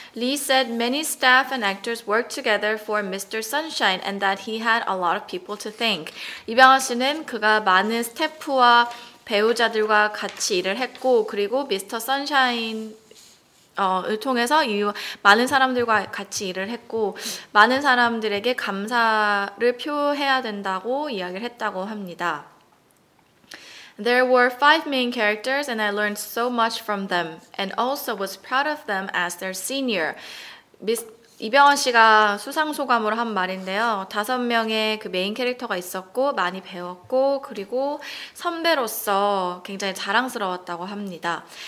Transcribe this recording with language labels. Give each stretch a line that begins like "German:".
English: Lee said many staff and actors worked together for Mr. Sunshine and that he had a lot of people to thank.
Korean: 이병헌 씨는 그가 많은 스태프와 배우자들과 같이 일을 했고 그리고 미스터 선샤인 을 통해서 이 많은 사람들과 같이 일을 했고 많은 사람들에게 감사를 표해야 된다고 이야기를 했다고 합니다.
English: There were five main characters and I learned so much from them and also was proud of them as their senior.
Korean: 이병헌 씨가 수상 소감으로 한 말인데요. 다섯 명의 그 메인 캐릭터가 있었고 많이 배웠고 그리고 선배로서 굉장히 자랑스러웠다고 합니다.